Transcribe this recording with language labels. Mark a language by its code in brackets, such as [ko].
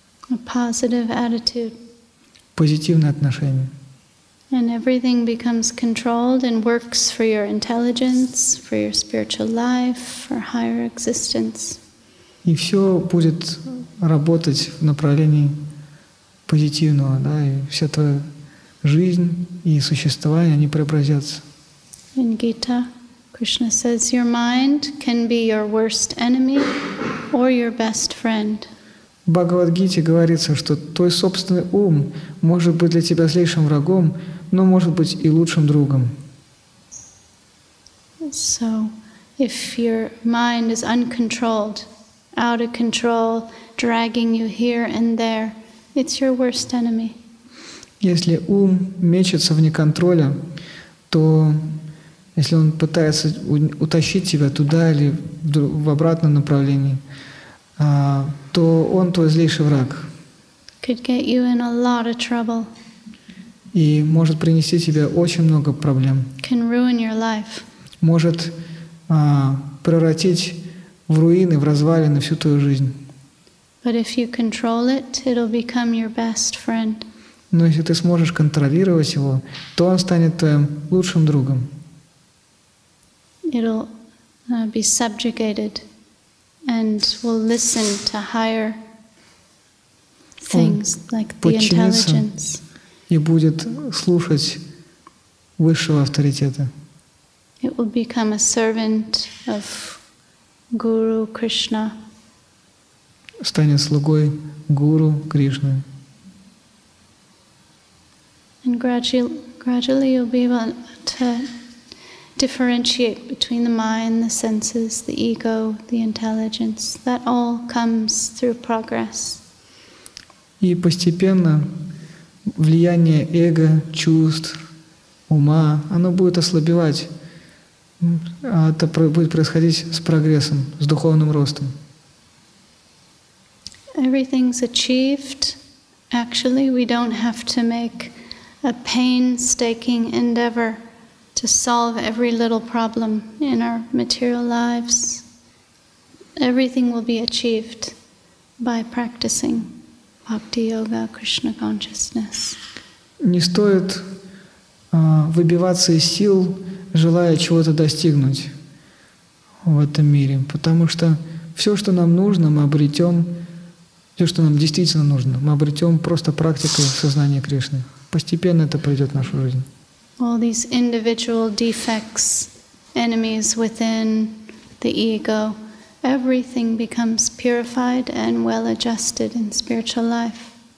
[en] A positive attitude. [ru] Позитивное отношение. [en] And everything becomes controlled and works for your intelligence, for your spiritual life, for higher existence. [ru] И все будет работать в направлении позитивного, да, и вся твоя жизнь и существование, они преобразятся. [en] In Gita, Krishna says, your mind can be your worst enemy or your best friend. [ru] Бхагавад-гите говорится, что твой собственный ум может быть для тебя злейшим врагом, но может быть и лучшим другом. [en] So, if your mind is uncontrolled, out of control, dragging you here and there, it's your worst enemy. [ru] Если ум мечется вне контроля, то если он пытается утащить тебя туда или в обратном направлении, то он твой злейший враг. [en] Could get you in a lot of trouble. [ru] И может принести тебе очень много проблем. [en] Can ruin your life. [ru] Может превратить в руины, в развалины всю твою жизнь. [en] But if you control it, it'll become your best friend. [ru] Но если ты сможешь контролировать его, то он станет твоим лучшим другом. [en] It'll be subjugated and will listen to higher things, like the intelligence. [ru] И будет слушать высшего авторитета. [en] It will become a servant of Guru Krishna. [ru] Станет слугой Гуру Кришны. [en] And gradually you'll be able to differentiate between the mind, the senses, the ego, the intelligence. That all comes through progress. [ru] И постепенно влияние эго, чувств, ума, оно будет ослабевать. А это будет происходить с прогрессом, с духовным ростом. [en] Everything's achieved. Actually, we don't have to make a painstaking endeavor to solve every little problem in our material lives. Everything will be achieved by practicing Bhakti Yoga, Krishna Consciousness. [ru] Не стоит выбиваться из сил, желая чего-то достигнуть в этом мире, потому что все, что нам нужно, мы обретем, все, что нам действительно нужно, мы обретем просто практикой сознания Кришны. Постепенно это придет в нашу жизнь. [en] All these individual defects, enemies within the ego, everything becomes purified and well-adjusted in spiritual life.